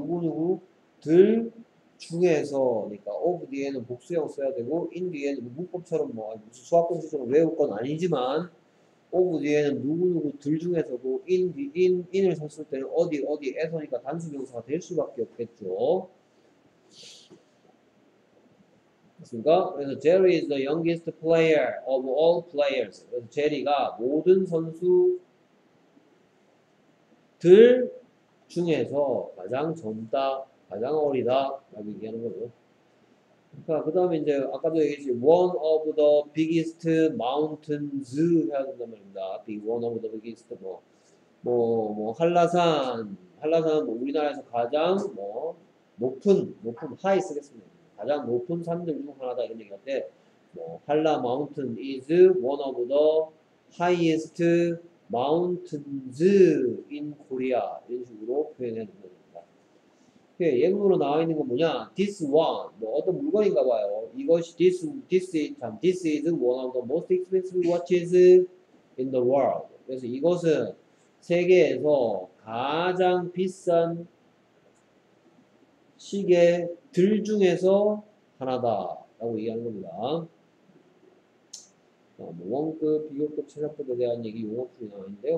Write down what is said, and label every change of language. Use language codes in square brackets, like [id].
[ko] 누구누구들 중에서니까 of 뒤에는 복수형 써야 되고 in 뒤에는 문법처럼 뭐 무슨 수학공식처럼 외울 건 아니지만 of 뒤에는 누구누구들 중에서고 in을 썼을 때는 어디 어디에서니까 단수 명사가 될 수밖에 없겠죠. 맞습니까? 그래서 [en] Jerry is the youngest player of all players. [ko] 그래서 Jerry가 모든 선수들 중에서 가장 젊다, 가장 어리다 라고 얘기하는 거죠. 자, 그 다음에 이제 아까도 얘기했지 [en] one of the biggest mountains [ko] 해야 된단 말입니다. [en] Be one of the biggest [ko] 뭐 한라산은 뭐 우리나라에서 가장 뭐 높은 high 쓰겠습니다. 가장 높은 산들 중 하나다 이런 얘기인데 뭐 한라 마운틴 [en] is one of the highest mountains in Korea [ko] 이런 식으로 표현하는 겁니다. 예, 예문으로 나와 있는 건 뭐냐? This one 뭐 어떤 물건인가 봐요. 이것이 [en] this is one of the most expensive watches in the world. [ko] 그래서 이것은 세계에서 가장 비싼 시계 들 중에서 하나다 라고 얘기하는 겁니다. 뭐 원급, 비교급, 최상급에 대한 얘기 용어풀이 나오는데요.